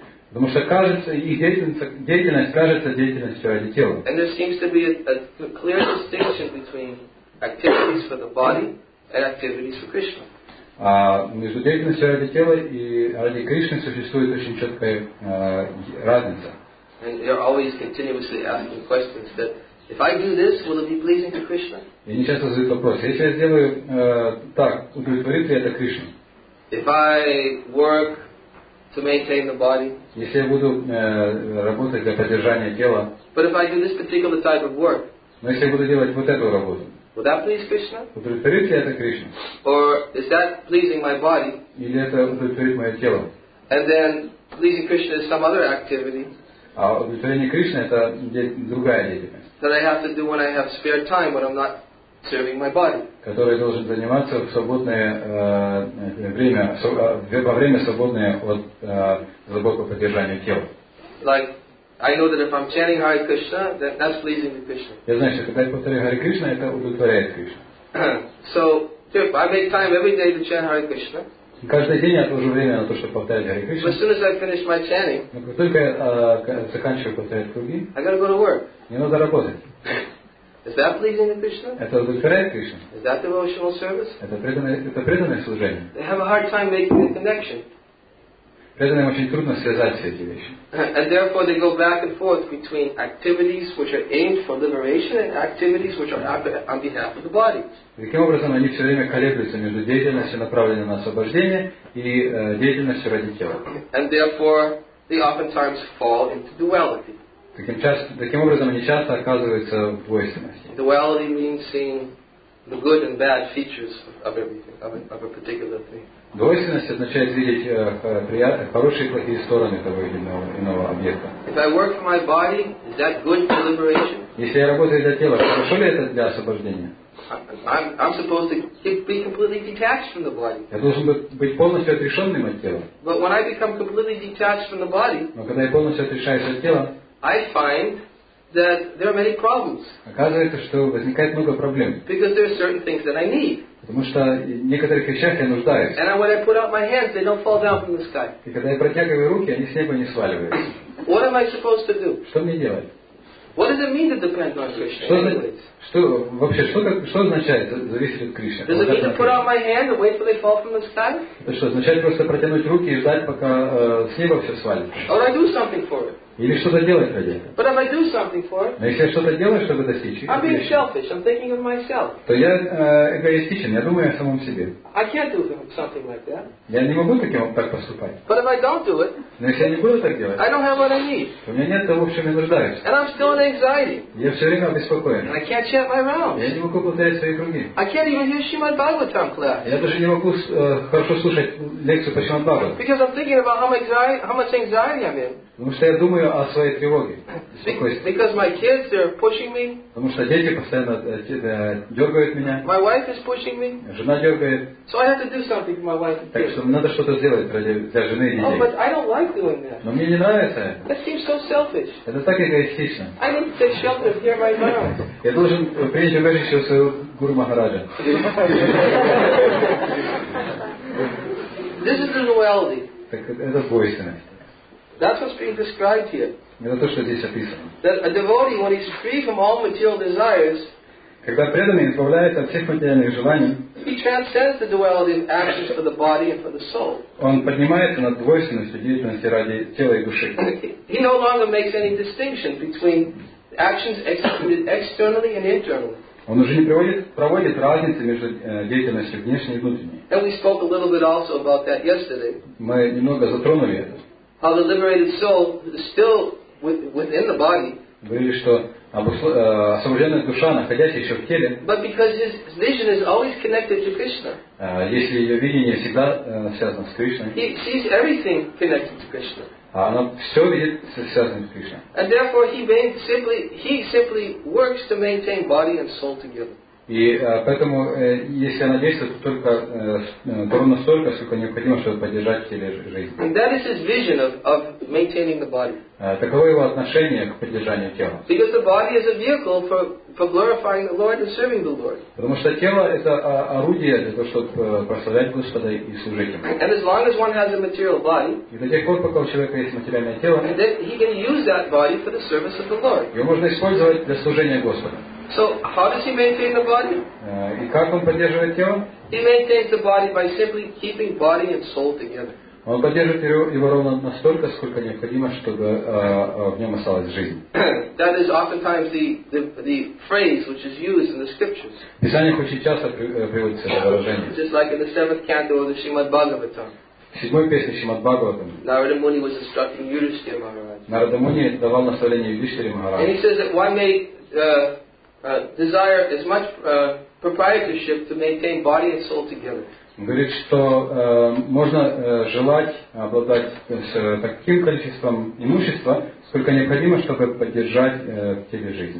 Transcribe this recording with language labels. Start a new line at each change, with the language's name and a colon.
Russian: Потому что кажется, их деятельность кажется деятельностью ради тела.
English: And there seems to be a clear distinction between activities for the body and activities for Krishna.
Russian: А между деятельностью ради тела и ради Кришны существует очень четкая разница.
English: And you're always continuously asking questions that if I do this, will it be pleasing to Krishna?
Russian: И они часто задают вопрос: если я сделаю так, удовлетворит ли это Кришну?
English: If I work to maintain the body.
Russian: Если я буду работать для поддержания тела.
English: But if I do this particular type of work.
Russian: Но если я буду делать вот эту работу.
English: Would that please Krishna?
Russian: Удовлетворит ли это Кришна?
English: Or is that pleasing my body?
Russian: Или это удовлетворит мое тело?
English: And then pleasing Krishna is some other activity.
Russian: А удовлетворение Кришны это другая деятельность.
English: That I have to do when I have spare time when I'm not serving my body.
Russian: Который должен заниматься в свободное время, во время свободное от забот о поддержании тела.
English: Like I know that if I'm chanting Hare Krishna, then that's pleasing to Krishna.
Russian: Я знаю, что когда я повторяю Hare Krishna, это удовлетворяет Кришну.
English: So, if I make time every day to chant Hare Krishna.
Russian: Каждый день я отвожу время на то, чтобы повторять Hare Krishna.
English: But as soon as I finish my chanting,
Russian: как только я заканчиваю повторять круги,
English: I gotta go to work.
Russian: Мне надо работать.
English: Is that pleasing to Krishna?
Russian: Это удовлетворяет Кришну.
English: Is that devotional service?
Russian: Это преданное служение.
English: They have a hard time making the connection.
Russian: преданным очень трудно связать все эти вещи.
English: And therefore they go back and forth between activities which are aimed for liberation and activities which are on behalf of the body.
Russian: Таким образом, они все время колеблются между деятельностью, направленной на освобождение, и деятельностью ради тела.
English: And therefore they oftentimes fall into duality.
Russian: Таким образом, они часто оказываются в двойственности.
English: Duality means seeing the good and bad features of everything, of a particular thing.
Russian: Двойственность означает видеть хорошие и плохие стороны того или иного объекта.
English: If I work for my body, is that good for liberation?
Russian: Если я работаю для тела, хорошо ли это для освобождения?
English: I'm supposed to be completely detached from the body.
Russian: Я должен быть полностью отрешенным от тела.
English: But when I become completely detached from the body,
Russian: но когда я полностью отрешаюсь от тела,
English: I find that there are many problems.
Russian: Оказывается, что возникает много проблем.
English: Because there are certain things that I need.
Russian: Потому что некоторых вещах я нуждаюсь.
English: And when I put out my hands, they don't fall down from the sky.
Russian: И когда я протягиваю руки, они с неба не сваливаются.
English: What am I supposed to do?
Russian: Что мне делать?
English: What does it mean to depend on Krishna?
Russian: Что означает зависеть от Кришны?
English: Does it mean to put out my hand and wait till they fall from the sky?
Russian: Это что, означает просто протянуть руки и ждать, пока с неба все свалится?
English: Or I do something for it?
Russian: Или что-то делать ради этого.
English: But if I do something for it,
Russian: но если я что-то делаю, чтобы достичь,
English: I'm being selfish, I'm thinking of myself.
Russian: То я эгоистичен, я думаю о самом себе.
English: I can't do something like that.
Russian: Я не могу так поступать.
English: But if I don't do it,
Russian: но если я не буду так делать,
English: I don't have what I need.
Russian: У меня нет того, в чем я нуждаюсь.
English: And I'm still in anxiety.
Russian: Я все время обеспокоен.
English: And I can't chant my rounds.
Russian: Я не могу повторять свои круги.
English: I can't even hear Shrimad Bhagavatam class.
Russian: Я даже не могу хорошо слушать лекцию по Shrimad Bhagavatam.
English: Because I'm thinking about how much anxiety I'm in.
Russian: Потому что я думаю о своей тревоге.
English: Because my kids, they're pushing me.
Russian: Потому что дети постоянно дергают меня.
English: My wife is pushing me.
Russian: Жена дергает.
English: So I have to do something for my wife.
Russian: Так что надо что-то сделать для жены и детей.
English: Oh, but I don't like doing that.
Russian: Но мне не нравится это.
English: That seems so selfish.
Russian: Это так эгоистично.
English: I need to take shelter here right now.
Russian: Я должен принять убежище у своего гуру Махараджа.
English: This is the duality.
Russian: Так это двойственность.
English: That's what's being described here.
Russian: Это то, что здесь описано.
English: That a devotee, when he's free from all material desires,
Russian: когда преданный избавляется от всех материальных желаний,
English: he transcends the duality of actions for the body and for the soul.
Russian: Он поднимается над двойственностью деятельности ради тела и души.
English: He no longer makes any distinction between actions executed externally and internally.
Russian: Он уже не проводит разницы между деятельностью внешней и внутренней.
English: And we spoke a little bit also about that yesterday.
Russian: Мы немного затронули это.
English: How the liberated soul is still within the body.
Russian: Говорили, что освобожденная душа, находясь еще в теле.
English: But because his vision is always connected to Krishna.
Russian: Если ее видение всегда связано с Кришной.
English: He sees everything connected to Krishna.
Russian: А она все видит связанным с Кришной.
English: And therefore he simply works to maintain body and soul together.
Russian: И поэтому, если она действует, то только ровно столько, сколько необходимо, чтобы поддержать теле жизнь.
English: And that is his vision of maintaining the body.
Russian: Таково его отношение к поддержанию тела.
English: Because the body is a vehicle for glorifying the Lord and serving the Lord.
Russian: Потому что тело — это орудие для того, чтобы прославлять Господа и служить Ему.
English: And as long as one has a material body,
Russian: и до тех пор, пока у человека есть материальное тело,
English: then he can use that body for the service of the Lord.
Russian: Его можно использовать для служения Господа.
English: So how does he maintain the body?
Russian: И как он поддерживает тело?
English: He maintains the body by simply keeping body and soul together.
Russian: Он поддерживает его ровно настолько, сколько необходимо, чтобы в нем осталась жизнь.
English: That is oftentimes the phrase which is used in the scriptures.
Russian: В писаниях очень часто приводится это выражение.
English: Just like in the seventh canto of the Srimad Bhagavatam.
Russian: Седьмой песни Шримад Бхагаватам.
English: Narada Muni was instructing Yudhishthira Maharaj.
Russian: Narada Muni давал наставление Юдхиштхире Махараджу.
English: And he says that one may desire as much proprietorship to maintain body and soul together.
Russian: Говорит, что можно желать обладать таким количеством имущества, сколько необходимо, чтобы поддержать в теле жизнь.